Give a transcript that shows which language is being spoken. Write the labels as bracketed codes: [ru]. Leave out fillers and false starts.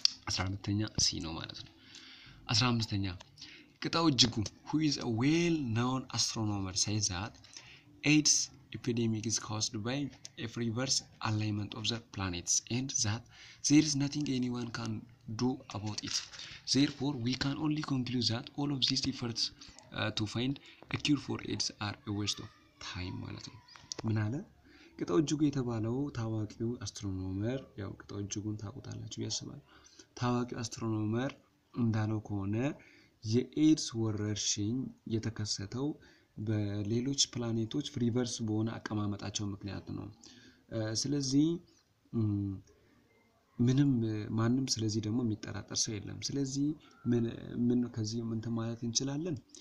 [am] 15ኛ ሲ ነው ማለት ነው። [en] 15ኛ ቅጣው እጅጉ ሁ ኢዝ አ ዌል ኖን አስትሮኖመር ሳይ ዛት ኤድስ epidemic is caused by a reverse alignment of the planets and that there is nothing anyone can do about it. Therefore, we can only conclude that all of these efforts to find a cure for AIDS are a waste of time. [am] ማለት ነው። ምን አለ? ቅጣው እጅጉ የተባለው ታዋቂው አስትሮኖመር፣ ያው ቅጣው እጅጉን ታውቁታላችሁ ያስባል። ታዋቂው አስትሮኖመር እንዳለው ከሆነ የኤድስ ወረርሽኝ የተከሰተው በሌሎች ፕላኔቶች ሪቨርስ በሆነ አቀማመጣቸው ምክንያት ነው። ስለዚህ ምንም ማንም ስለዚህ ደግሞ የሚጠራጠር ሰው የለም። ስለዚህ ምን ከዚህ ምንት ማለት እንችላለን?